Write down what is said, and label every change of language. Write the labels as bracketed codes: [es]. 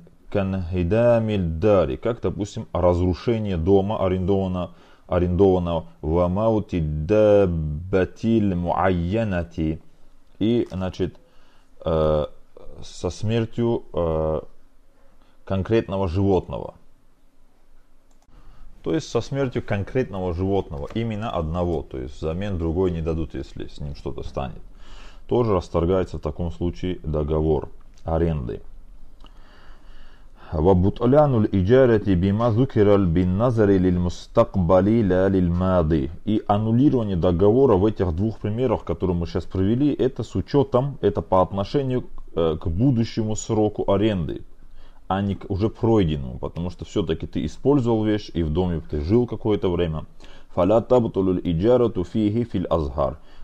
[ar] كالانهدام الدار, [ru] как, допустим, разрушение дома арендованного, [ar] وموت الدابة المعينة, [ru] и, значит, со смертью конкретного животного. То есть со смертью конкретного животного, именно одного, то есть взамен другой не дадут, если с ним что-то станет. Тоже расторгается в таком случае договор аренды. [ar] وبطلان الإجارة بما ذكر بالنظر للمستقبل لا للماضي. [ru] И аннулирование договора в этих двух примерах, которые мы сейчас провели, это с учетом, это по отношению к будущему сроку аренды, а не уже пройденному, потому что все-таки ты использовал вещь и в доме ты жил какое-то время. [ar] فَلَا تَبْطُلُ الْإِجَارَةُ فِيهِ فِي الْأَزْهَارِ.